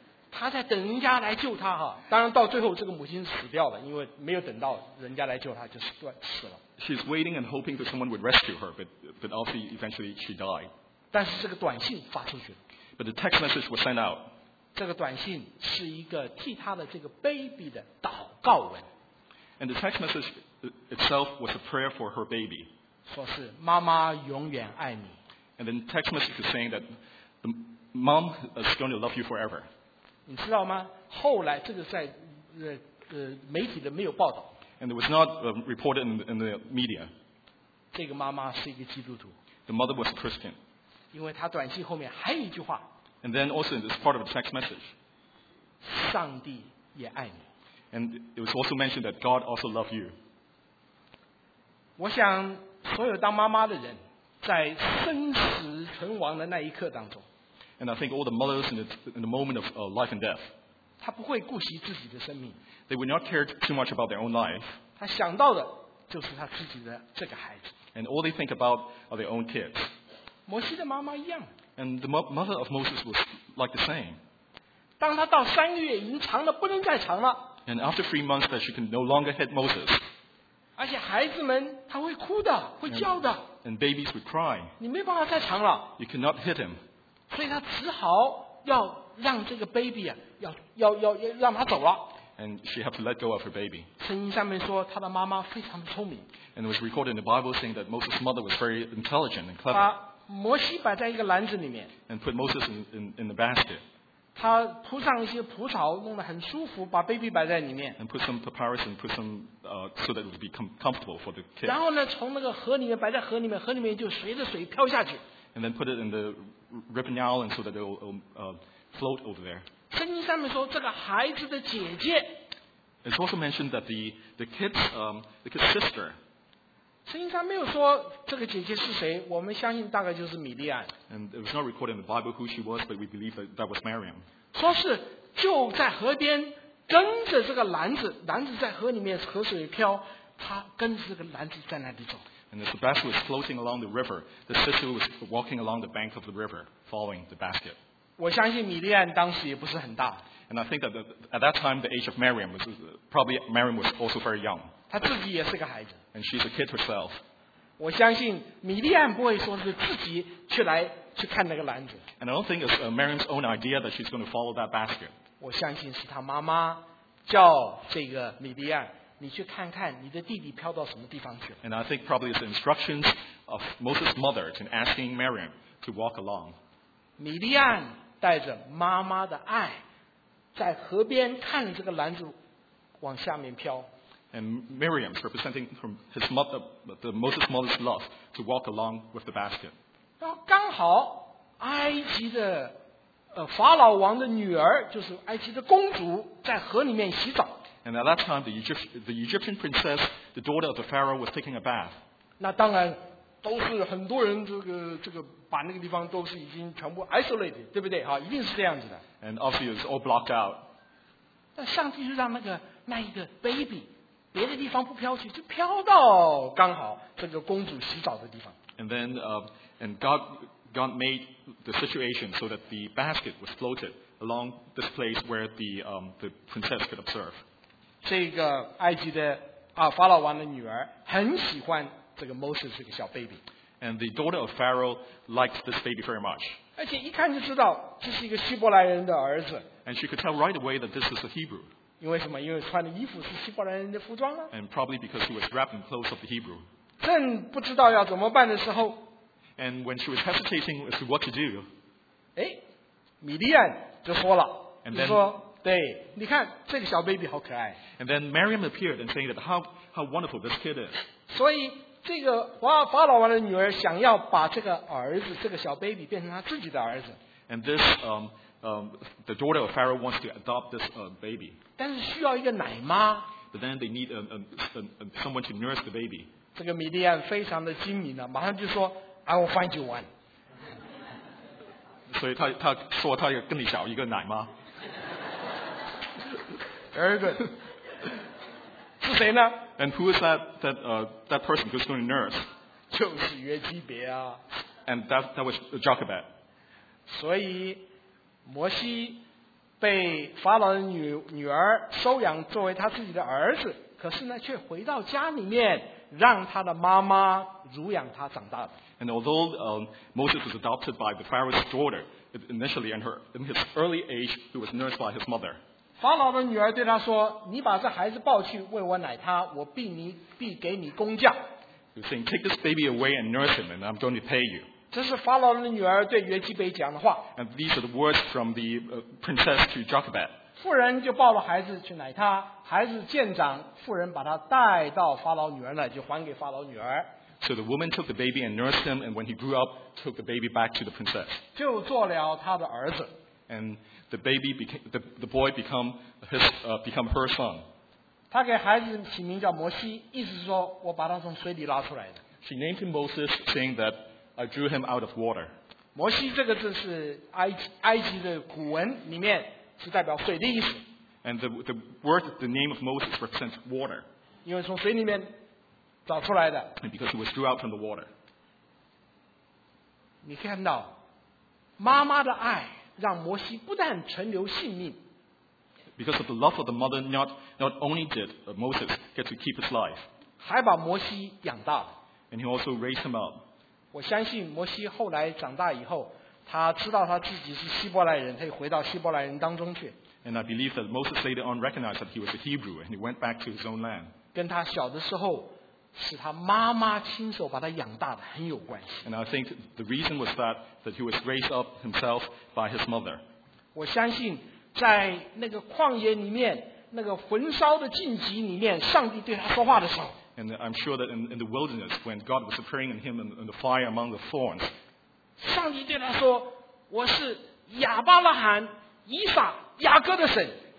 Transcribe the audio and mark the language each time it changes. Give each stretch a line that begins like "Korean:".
Chinese: 他在等人家来救他哈，当然到最后这个母亲死掉了，因为没有等到人家来救他，就死了。
English: She's waiting and hoping that someone would rescue her, but obviously eventually she died.
Chinese: 但是这个短信发出去了。
English: But the text message was sent out.
Chinese: 这个短信是一个替他的这个 baby 的祷告文。
English: And the text message itself was a prayer for her baby.
Chinese: 说是妈妈永远爱你。
English: And then text message is saying that the mom is going to love you forever.
Chinese: 你知道吗？后来这个在媒体的没有报道。
English: And it was not reported in the media.
Chinese: 这个妈妈是一个基督徒。
English: The mother was a Christian.
Chinese: 因为她短信后面还有一句话。
English: And then also in this part of the text message.
Chinese: 上帝也爱你。
English: And it was also mentioned that God also loves you.
Chinese: 我想所有当妈妈的人在生死存亡的那一刻当中，
English: and I think all the mothers in the moment of life and death,
Chinese: 她不会顾惜自己的生命，
English: they would not care too much about their own life,
Chinese: 她想到的就是她自己的这个孩子，
English: and all they think about are their own kids.
Chinese: 摩西的妈妈一样，
English: and the mother of Moses was like the same.
Chinese: 当她到三个月已经长了不能再长了，
English: And after 3 months, that she can no longer hit Moses.
Chinese: 而且孩子们他会哭的，会叫的。
English: And babies would cry.
Chinese: 你没办法再藏了。
English: You cannot hit him.
Chinese: 所以他只好要让这个 baby 要让他走了。
English: And she had to let go of her baby.
Chinese: 圣经上面说他的妈妈非常聪明。
English: And it was recorded in the Bible saying that Moses' mother was very intelligent and clever. 把
Chinese: 摩西摆在一个篮子里面。
English: And put Moses in the basket.
Chinese: 他铺上一些蒲草，弄得很舒服，把 baby 摆在里面。
English: And put some papyrus and put some so that it would be comfortable for the kid.
Chinese: 然后呢，从那个河里面摆在河里面，河里面就随着水飘下去。
English: And then put it in the river Nile and so that it will float over there.
Chinese: 圣经上面说这个孩子的姐姐。
English: It's also mentioned that the kid's sister.
Chinese: 圣经上没有说这个姐姐是谁，我们相信大概就是米利安。
English: And it was not recorded in the Bible who she was, but we believe that was Miriam.
Chinese: 说是就在河边跟着这个篮子，篮子在河里面河水飘，她跟着这个篮子在那里走。
English: And as the basket was floating along the river, the sister was walking along the bank of the river, following the basket.
Chinese: 我相信米利安当时也不是很大。
English: And I think that at that time the age of Miriam was probably Miriam was also very young.
Chinese: 她自己也是个孩子。
English: And she's a kid herself.
Chinese: 我相信米利安不会说是自己去看那个篮子。
English: And I don't think it's Miriam's own idea that she's going to follow that basket.
Chinese: 我相信是她妈妈叫这个米利安，你去看看你的弟弟飘到什么地方去。
English: And I think probably it's the instructions of Moses' mother in asking Miriam to walk along.
Chinese: 米利安带着妈妈的爱。在河边看着这个篮子往下面飘。
English: And Miriam is representing from his mother, the Moses' mother's love to walk along with the basket.
Chinese: 刚好埃及的法老王的女儿，就是埃及的公主，在河里面洗澡。
English: And at that time, the Egyptian princess, the daughter of the Pharaoh, was taking a bath.
Chinese: 那当然都是很多人这个把那个地方都是已经全部 isolated， 对不对？一定是这样子的。
English: And obviously it's all blocked out.
Chinese: 那上帝就让那一个 baby 别的地方不飘去，就飘到刚好这个公主洗澡的地方。
English: And then and God made the situation so that the basket was floated along this place where the princess could observe.
Chinese: 这个埃及的法老王的女儿很喜欢。这个 Moses 这个小 baby，
English: and the daughter of Pharaoh liked this baby very much。
Chinese: 而且一看就知道这是一个希伯来人的儿子。
English: And she could tell right away that this is a Hebrew。
Chinese: 因为什么？因为穿的衣服是希伯来人的服装啊。
English: And probably because he was wrapped in clothes of the Hebrew。
Chinese: 正不知道要怎么办的时候
English: ，And when she was hesitating as to what to do，
Chinese: 哎，米利安就说了，就说，对，你看这个小 baby 好可爱。
English: And then Miriam appeared and said that how wonderful this kid is。
Chinese: 所以这个法老王的女儿想要把这个儿子，这个小 baby 变成他自己的儿子。
English: And this the daughter of Pharaoh wants to adopt this baby.
Chinese: 但是需要一个奶妈。
English: But then they need someone to nurse the baby.
Chinese: 这个米利安非常的精明了，马上就说 ，
English: I will find you one.
Chinese: 所以他说他要跟你找一个奶妈。
English: Very good.
Chinese: 是谁呢？
English: And who is that person who's going to nurse?
Chinese: 就是约基别啊。
English: And that was Jochebed.
Chinese: 所以摩西被法老的女儿收养作为他自己的儿子，可是呢，却回到家里面让他的妈妈乳养他长大。
English: And although Moses was adopted by the Pharaoh's daughter initially, in his early age, he was nursed by his mother.
Chinese: 法老的女儿对他说：“你把这孩子抱去喂我奶他，我必给你工价。”
English: You're saying, take this baby away and nurse him, and I'm going to pay you.
Chinese: 这是法老的女儿对约基别讲的话。
English: And these are the words from the princess to Jochebed.
Chinese: 妇人就抱了孩子去奶他，孩子渐长，妇人把他带到法老女儿那，就还给法老女儿。
English: So the woman took the baby and nursed him, and when he grew up, took the baby back to the princess.
Chinese: 就做了他的儿子。
English: And the baby became the boy become his become her son.
Chinese: 他给孩子起名叫摩西，意思是说我把他从水里拉出来的。
English: She named him Moses, saying that I drew him out of water.
Chinese: 摩西这个字是埃及的古文里面是代表水的意思。
English: And the word the name of Moses represents water.
Chinese: 因为从水里面找出来的。
English: And because he was drew out from the water.
Chinese: 你看到妈妈的爱。让摩西不但存留性命
English: ，because of the love of the mother, not only did Moses get to keep his life，
Chinese: 还把摩西养大
English: ，and he also raised him up。
Chinese: 我相信摩西后来长大以后，他知道他自己是希伯来人，他回到希伯来人当中去。
English: And I believe that Moses later on recognized that he was a Hebrew and he went back to his own land。
Chinese: 跟他小的时候，是他妈妈亲手把他养大的很有关系。
English: And I think the reason was that he was raised up himself by his mother.
Chinese: 我相信在那个旷野里面，那个焚烧的荆棘里面，上帝对他说话的时候。
English: And I'm sure that in the wilderness, when God was appearing in him in the fire among the thorns.
Chinese: 上帝对他说：“我是亚伯拉罕、以撒、雅各的神。”